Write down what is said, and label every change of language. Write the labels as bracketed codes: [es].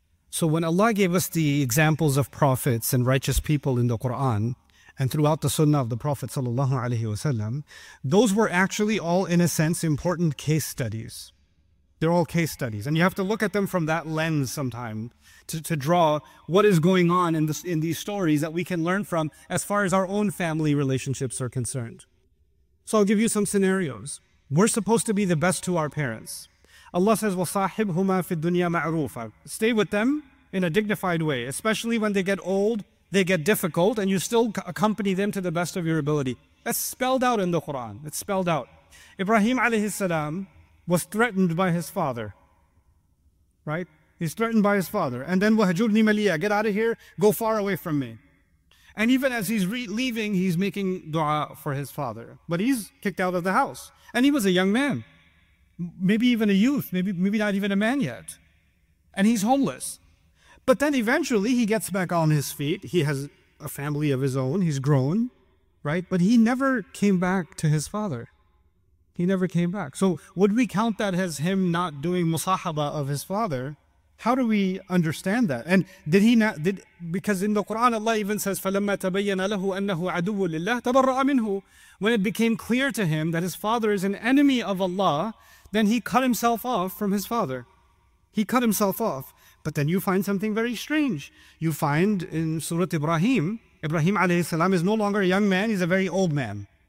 [en] So when Allah gave us the examples of prophets and righteous people in the Quran and throughout the Sunnah of the Prophet sallallahu alaihi wasallam, those were actually all, in a sense, important case studies. They're all case studies. And you have to look at them from that lens sometime to draw what is going on in these stories that we can learn from as far as our own family relationships are concerned. So I'll give you some scenarios. We're supposed to be the best to our parents. Allah says, [ar] وَصَاحِبْهُمَا فِي الدُّنْيَا مَعْرُوفًا. [en] Stay with them in a dignified way, especially when they get old, they get difficult, and you still accompany them to the best of your ability. That's spelled out in the Quran. It's spelled out. Ibrahim alayhi salam was threatened by his father. Right? He's threatened by his father. And then, [ar] وَهَجُرْنِي مَلِيَّا. [en] Get out of here. Go far away from me. And even as he's leaving, he's making dua for his father. But he's kicked out of the house. And he was a young man. Maybe even a youth. Maybe not even a man yet. And he's homeless. But then eventually he gets back on his feet. He has a family of his own. He's grown, right? But he never came back to his father. He never came back. So would we count that as him not doing musahaba of his father? How do we understand that? And did he not? Because in the Quran, Allah even says, [ar] فَلَمَّا تَبَيَّنَ لَهُ أَنَّهُ عَدُوٌّ لِلَّهِ تَبَرَّأَ مِنْهُ. [en] When it became clear to him that his father is an enemy of Allah, then he cut himself off from his father. He cut himself off. But then you find something very strange. You find in Surah Ibrahim, Ibrahim alayhi salam is no longer a young man, he's a very old man.